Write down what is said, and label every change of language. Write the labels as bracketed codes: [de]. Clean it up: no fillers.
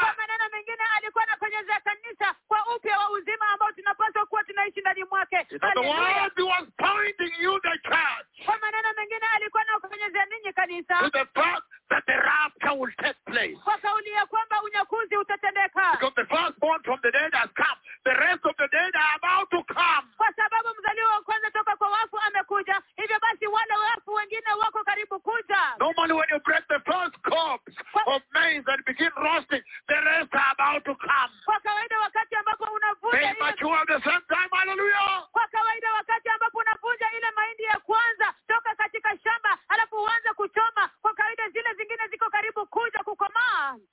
[sw] Kwa maneno mengine alikuwa anakwenyeza kanisa kwa upya wa uzima ambao tunapaswa kuwa tunaishi ndani mwake. [en] In other words, he was pointing you the church. [sw] Kwa maneno mengine alikuwa anakwenyeza ninyi kanisa. [en] To the fact that the rapture will take place. [sw] Kwa kauli ya kwamba unyakuzi utatendeka. [en] Because the firstborn from the dead has come. The rest of the dead are about to come. [sw] Kwa sababu mzaliwa wa kwanza toka kwa wafu amekuja. Hivyo basi wale wafu wengine wako karibu kuja. [en] Normally when you break the first corpse of maize and begin roasting, the rest are about to come. [sw] Kwa kawaida wakati ambapo unavunja [en] ile mature at the same time, hallelujah. [sw] Kwa kawaida wakati ambapo unavunja ile mahindi ya kwanza toka katika shamba alafu uanze kuchoma, kwa kawaida zile zingine ziko karibu kuja kukomaa.